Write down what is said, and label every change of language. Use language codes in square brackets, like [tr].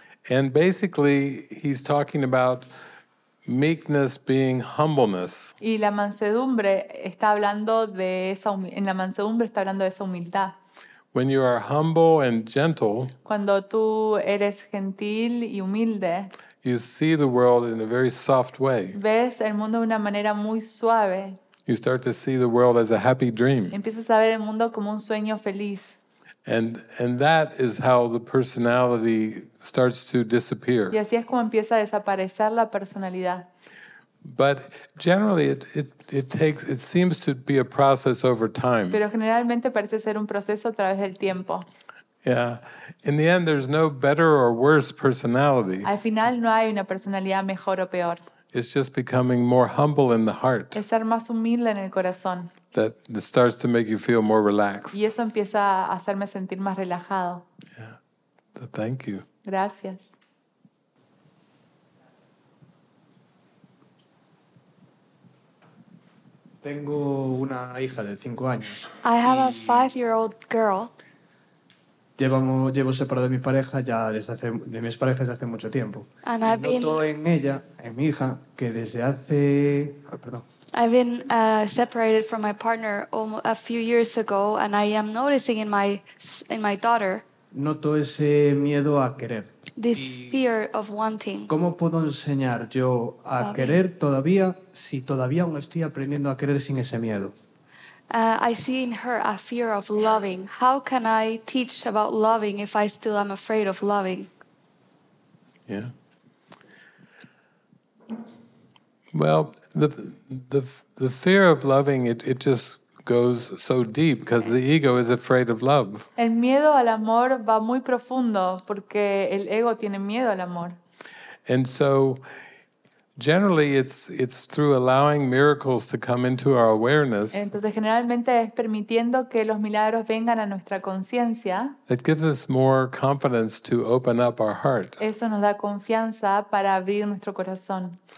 [en] And basically, he's talking about meekness being humbleness. [es] Y la mansedumbre está hablando de esa humildad. [en] When you are humble and gentle, [es] cuando tú eres gentil y humilde, [en] you see the world in a very soft way. [es] Ves el mundo de una manera muy suave. [en] You start to see the world as a happy dream. [es] Empiezas a ver el mundo como un sueño feliz. [en] And that is how the personality starts to disappear. [es] Y así es como empieza a desaparecer la personalidad. [en] But generally it seems to be a process over time. [es] Pero generalmente parece ser un proceso a través del tiempo. [en] Yeah. In the end there's no better or worse personality. [es] Al final no hay una personalidad mejor o peor. [en] It's just becoming more humble in the heart. [es] Es ser más humilde en el corazón. [en] That starts to make you feel more relaxed. [es] Y eso empieza a hacerme sentir más relajado. [en] Yeah. So thank you. [es] Gracias. Tengo una hija de 5 años. [en] I have a 5-year-old girl. [es] Llevo separado de mi pareja ya desde hace mucho tiempo. [en] And [es] y [en] I've [es] noto [en] been, [es] en ella, en mi hija, que desde hace [en] I've been separated from my partner a few years ago and I am noticing in my daughter. [es] Noto ese miedo a querer. [en] This fear of wanting. [es] ¿Cómo puedo enseñar yo a querer todavía si todavía aún estoy aprendiendo a querer sin ese miedo? [en] I see in her a fear of loving. How can I teach about loving if I still am afraid of loving? Yeah. Well, the fear of loving it just goes so deep because the ego is afraid of love. [es] El miedo al amor va muy profundo porque el ego tiene miedo al amor. [en] And so generally it's through allowing miracles to come into our awareness. [es] Entonces generalmente es permitiendo que los milagros vengan a nuestra conciencia. [en] It gives us more confidence to open up our heart. [es] Eso nos da confianza para abrir nuestro corazón.